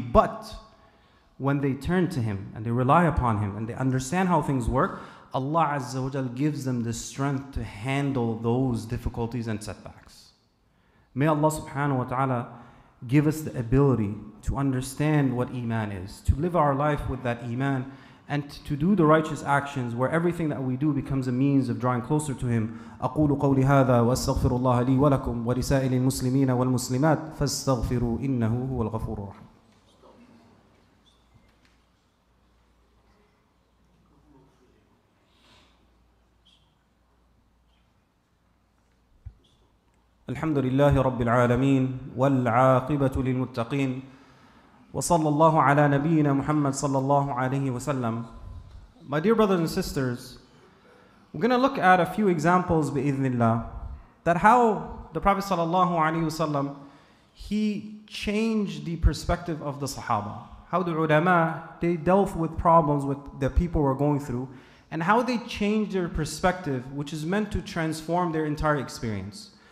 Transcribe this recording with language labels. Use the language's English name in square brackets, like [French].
[English] But when they turn to Him and they rely upon Him and they understand how things work, Allah Azza wa Jal gives them the strength to handle those difficulties and setbacks. May Allah subhanahu wa ta'ala give us the ability to understand what Iman is, to live our life with that Iman, and to do the righteous actions where everything that we do becomes a means of drawing closer to Him. [Arabic] أقول قولي هذا وأستغفر الله لي ولكم ولسائر المسلمين والمسلمات فاستغفروا إنه هو الغفور الرحيم. الحمد لله رب العالمين والعاقبة للمتقين وصلى الله على نبينا محمد صلى الله عليه وسلم. [English] My dear brothers and sisters, we're going to look at a few examples [Arabic] بإذن الله [English] that how the Prophet [Arabic] صلى الله عليه وسلم [English] he changed the perspective of the Sahaba. How the ulama, they dealt with problems with the people were going through and how they changed their perspective, which is meant to transform their entire experience.